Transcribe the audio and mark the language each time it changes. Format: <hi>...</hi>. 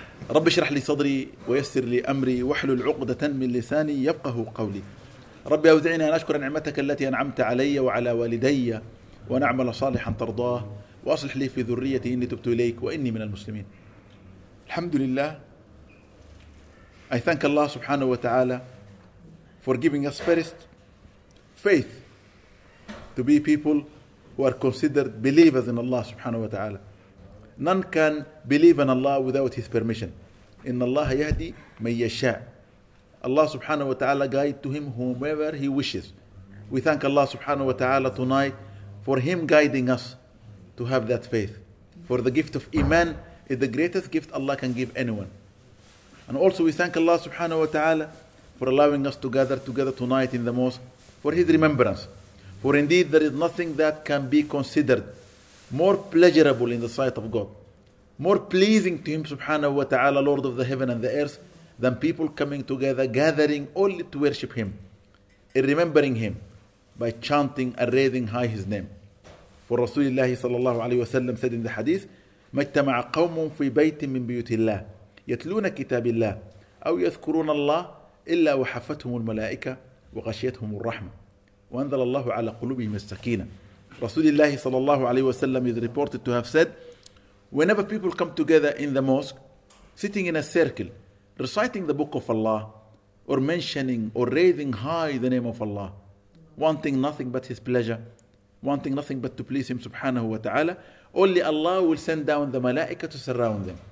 <ar>رب اشرح لي صدري ويسر لي أمري واحلل عقدة من لساني يفقه قولي. رب أوزعني أن أشكر نعمتك التي أنعمت علي وعلى والدي وأن أعمل صالحا ترضاه وأصلح لي في ذريتي إني تبت إليك وإني من المسلمين. الحمد لله.</ar> <en>I thank Allah subhanahu wa ta'ala for giving us first faith to be people who are considered believers in Allah subhanahu wa ta'ala. None can believe in Allah without his permission.</en> <ar>إن الله يهدي من يشاء.</ar> <en>Allah subhanahu wa ta'ala guide to him whomever he wishes. We thank Allah subhanahu wa ta'ala tonight for him guiding us to have that faith. For the gift of Iman is the greatest gift Allah can give anyone. And also we thank Allah subhanahu wa ta'ala for allowing us to gather together tonight in the mosque for his remembrance. For indeed there is nothing that can be considered more pleasurable in the sight of God, more pleasing to him subhanahu wa ta'ala, Lord of the heaven and the earth, than people coming together, gathering only to worship him, in remembering him by chanting and raising high his name. For Rasulullah sallallahu alayhi wa sallam said in the hadith,</en> <ar>مَجْتَمَعَ قَوْمٌ فِي بَيْتٍ مِّن بِيُوتِ اللَّهِ يتلون كتاب الله أو يذكرون الله إلا وحفتهم الملائكة وغشيتهم الرحمة وأنزل الله على قلوبهم السكينة. رسول الله صلى الله عليه وسلم</ar> <en>is reported to have said, whenever people come together in the mosque, sitting in a circle, reciting the book of Allah, or mentioning or raising high the name of Allah, wanting nothing but his pleasure, wanting nothing but to please him subhanahu wa ta'ala, only Allah will send down the malaika to surround them.</en>